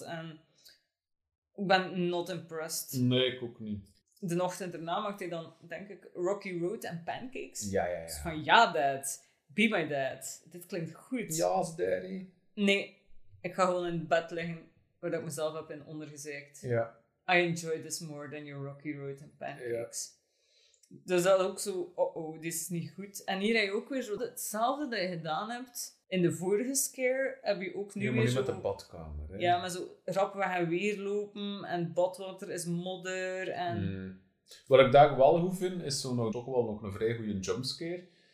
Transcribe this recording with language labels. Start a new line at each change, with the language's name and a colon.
Dutch: En ik ben
English: not impressed.
Dutch: Nee, ik ook niet. De ochtend daarna maakt hij dan, denk ik, Rocky Road en pancakes. Ja. Dus van, dad.
English: Be my dad.
Dutch: Dit klinkt goed. Ja,
English: yes, daddy.
Dutch: Nee, ik ga gewoon in bed liggen waar ik mezelf heb in ondergezeikt. Ja.
English: I enjoy this more than your Rocky Road and pancakes.
Dutch: Ja. Dus dat is ook zo, oh, dit is niet goed. En hier heb je ook weer zo hetzelfde dat je gedaan hebt. In de vorige scare heb je ook nu weer zo... met de badkamer, hè? Ja, maar zo rap we gaan weer lopen en badwater is modder en... Wat ik daar wel goed vind, is zo nog, toch wel nog een vrij goede jumpscare.